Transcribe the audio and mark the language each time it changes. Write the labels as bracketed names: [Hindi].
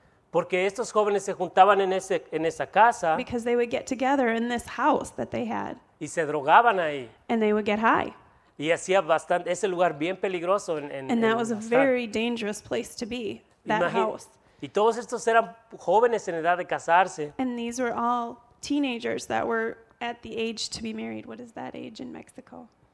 [Spanish] Porque estos jóvenes se juntaban en esa casa. [English] Because they would get together in this house that they had. [Spanish] Y se drogaban ahí. [English] And they would get high. [Spanish] Y hacía bastante, ese lugar bien peligroso. [English] And that was a very dangerous place to be, that house. [Spanish] Y todos estos eran jóvenes en edad de casarse. [English] And these were all teenagers that were at the age to be married. What is that age in Mexico?